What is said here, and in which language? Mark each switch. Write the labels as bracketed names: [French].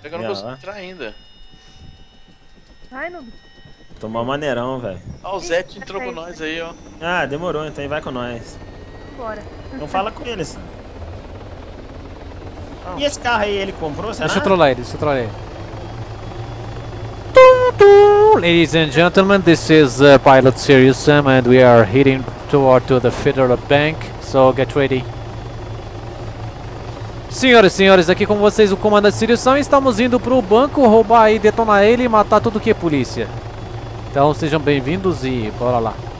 [Portuguese] Eu não consigo entrar ainda. Vai, no. Tô mó maneirão, velho. Ó, o Zé te entrou com nós aí, ó. Ah, demorou, então vai com nós. Bora. Então fala com eles. E esse carro aí ele comprou, será? Deixa eu trollar ele. Tum. [English] Ladies and gentlemen, this is Pilot Sirius Sam and we are heading toward to the Federal Bank, so get ready. [Portuguese] Senhoras e senhores, aqui com vocês o comandante Sirius Sam, estamos indo pro banco roubar e detonar ele e matar tudo que é polícia. Então sejam bem-vindos e bora lá.